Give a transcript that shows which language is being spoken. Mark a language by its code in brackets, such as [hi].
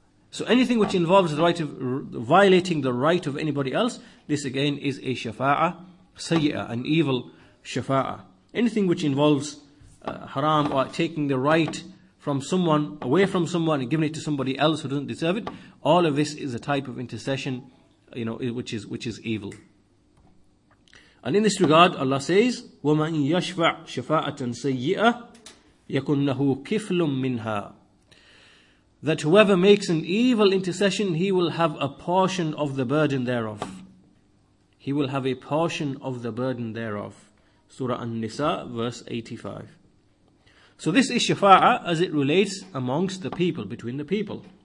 [en] So anything which involves the right of violating the right of anybody else, this again is a shafa'a, sayyi'ah, an evil shafa'a. Anything which involves haram or taking the right from someone, away from someone, and giving it to somebody else who doesn't deserve it, all of this is a type of intercession, you know, which is evil. And in this regard, Allah says, [ar] وَمَنْ يَشْفَعْ شَفَاءَةً سَيِّئَةً يَكُنْ لَهُ كِفْلٌ مِّنْهَا. [en] That whoever makes an evil intercession, he will have a portion of the burden thereof. He will have a portion of the burden thereof. Surah An-Nisa, verse 85. So this is shafa'a as it relates amongst the people, between the people.